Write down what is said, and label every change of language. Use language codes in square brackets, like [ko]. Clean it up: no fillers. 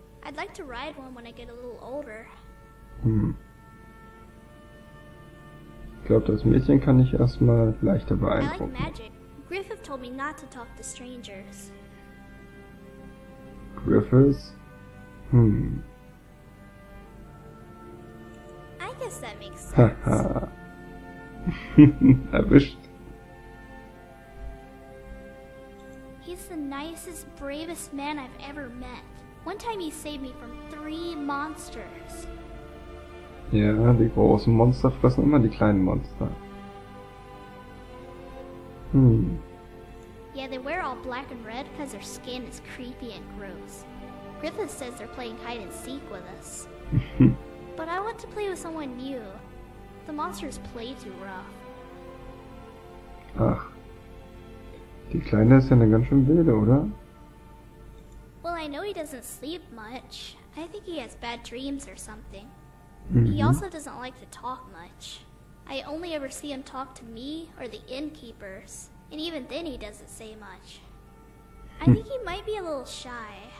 [en] I'd like to ride one when I get a little older. [de] Ich glaube, das Mädchen kann ich erstmal leichter beeindrucken. [en] I like magic. Griffith told me not to talk to strangers. Griffiths? I guess that makes sense. [de] Haha. Erwischt. [en] He's the nicest, bravest man I've ever met. One time he saved me from 3 monsters. [de] Ja, die großen Monster fressen immer die kleinen Monster. [en] Yeah, they wear all black and red because their skin is creepy and gross. Griffith says they're playing hide and seek with us. But I want to play with someone new. The monsters play too rough. [de] Ach. Die Kleine ist ja eine ganz schön wilde, oder? [en] Well, I know he doesn't sleep much. I think he has bad dreams or something. He also doesn't like to talk much. I only ever see him talk to me or the innkeepers. And even then he doesn't say much. I think he might be a little shy.